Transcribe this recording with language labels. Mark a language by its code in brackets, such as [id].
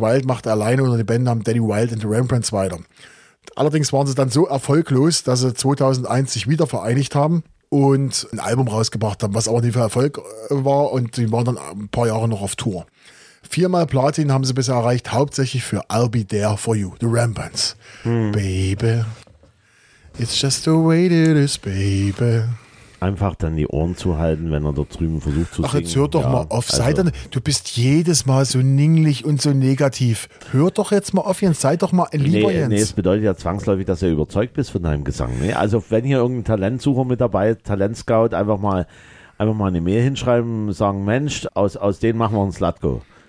[de] Wilde machte alleine unter den Bandnamen Danny Wilde and the Rembrandts weiter. Allerdings waren sie dann so erfolglos, dass sie 2001 sich wieder vereinigt haben und ein Album rausgebracht haben, was aber nicht für Erfolg war, und die waren dann ein paar Jahre noch auf Tour. Viermal Platin haben sie bisher erreicht, hauptsächlich für I'll Be There For You, The Rembrandts. Hm. [en] Baby, it's just the way it is, baby. [de] Einfach dann die Ohren zu halten, wenn er da drüben versucht zu singen. Ach, jetzt hör doch mal auf, sei dann, du bist jedes Mal so ninglich und so negativ. Hör doch jetzt mal auf, Jens, sei doch mal lieber, Jens. Nee, es bedeutet ja zwangsläufig, dass du überzeugt bist von deinem Gesang. Nee, also wenn hier irgendein Talentsucher mit dabei ist, Talentscout, einfach mal eine Mail hinschreiben, sagen, Mensch, aus denen machen wir uns Latko.